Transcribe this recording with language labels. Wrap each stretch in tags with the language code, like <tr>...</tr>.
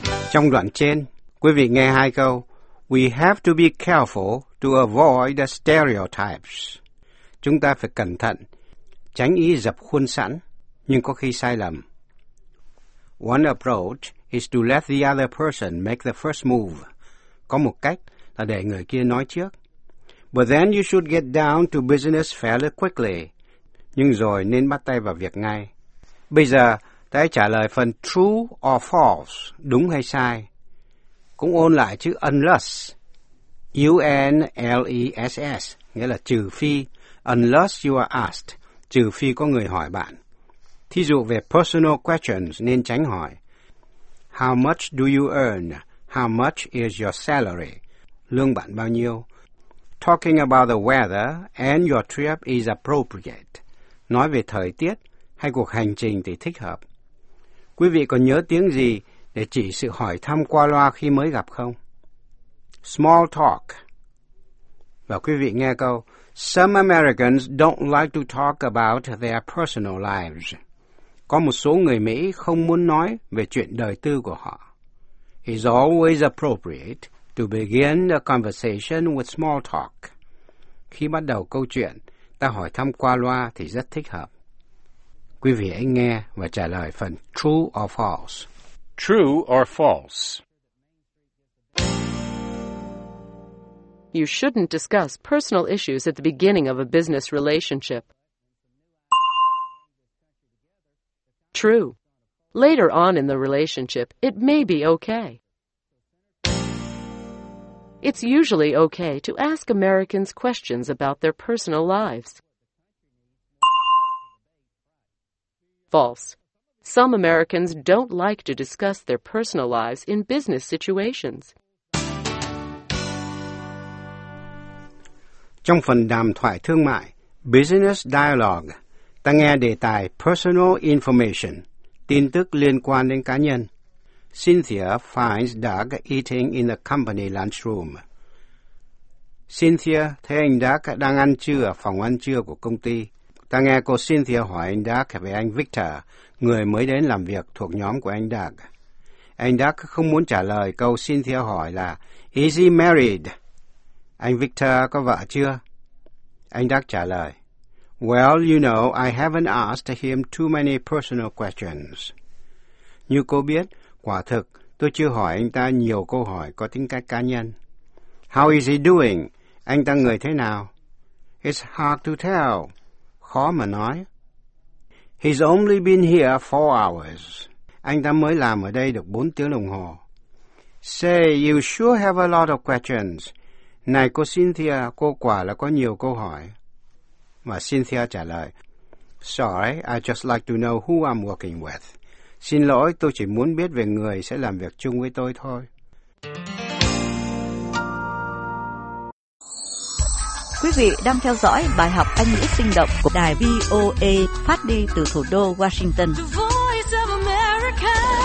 <vi>Trong đoạn trên, quý vị nghe hai câu.</vi> <en>We have to be careful to avoid the stereotypes.</en> <vi>Chúng ta phải cẩn thận, tránh ý dập khuôn sẵn, nhưng có khi sai lầm.</vi> <en>One approach is to let the other person make the first move.</en> <vi>Có một cách là để người kia nói trước.</vi> <en>But then you should get down to business fairly quickly.</en> <vi>Nhưng rồi nên bắt tay vào việc ngay. Bây giờ, Ta hãy trả lời phần true or false, đúng hay sai. Cũng ôn lại chữ unless, U-N-L-E-S-S, nghĩa là trừ phi,</vi> <en>unless you are asked,</en> <vi>trừ phi có người hỏi bạn. Thí dụ về personal questions nên tránh hỏi.</vi> <en>How much do you earn? How much is your salary?</en> <vi>Lương bạn bao nhiêu?</vi> <en>Talking about the weather and your trip is appropriate.</en> <vi>Nói về thời tiết hay cuộc hành trình thì thích hợp. Quý vị còn nhớ tiếng gì để chỉ sự hỏi thăm qua loa khi mới gặp không?</vi> <en>Small talk.</en> <vi>Và quý vị nghe câu,</vi> <en>some Americans don't like to talk about their personal lives.</en> <vi>Có một số người Mỹ không muốn nói về chuyện đời tư của họ.</vi> <en>It's always appropriate to begin a conversation with small talk.</en> <vi>Khi bắt đầu câu chuyện, ta hỏi thăm qua loa thì rất thích hợp. Quý vị hãy nghe và trả lời phần true or false.</vi> <en>True or false? You shouldn't discuss personal issues at the beginning of a business relationship. True. Later on in the relationship, it may be okay. It's usually okay to ask Americans questions about their personal lives. False. Some Americans don't like to discuss their personal lives in business situations.</en> <vi>Trong phần đàm thoại thương mại, Business Dialogue, ta nghe đề tài Personal Information, tin tức liên quan đến cá nhân.</vi> <en>Cynthia finds Doug eating in the company lunchroom.</en> <vi>Cynthia thấy anh Doug đang ăn trưa ở phòng ăn trưa của công ty. Ta nghe cô Cynthia hỏi anh Doug về anh Victor, người mới đến làm việc thuộc nhóm của anh Doug. Anh Doug không muốn trả lời câu Cynthia hỏi là,</vi> <en>is he married?</en> <vi>Anh Victor có vợ chưa? Anh Doug trả lời,</vi> <en>well, you know, I haven't asked him too many personal questions.</en> <vi>Như cô biết, quả thực, tôi chưa hỏi anh ta nhiều câu hỏi có tính cách cá nhân.</vi> <en>How is he doing?</en> <vi>Anh ta người thế nào?</vi> <en>It's hard to tell.</en> <vi>Khó mà nói.</vi> <en>He's only been here 4 hours.</en> <vi>Anh ta mới làm ở đây được 4 tiếng đồng hồ.</vi> <en>Say, you sure have a lot of questions.</en> <vi>Này cô Cynthia, cô quả là có nhiều câu hỏi. Và Cynthia trả lời,</vi> <en>sorry, I just like to know who I'm working with.</en> <vi>Xin lỗi, tôi chỉ muốn biết về người sẽ làm việc chung với tôi thôi. Quý vị đang theo dõi bài học Anh ngữ sinh động của đài VOA phát đi từ thủ đô Washington.</vi> <en>The Voice of America.</en>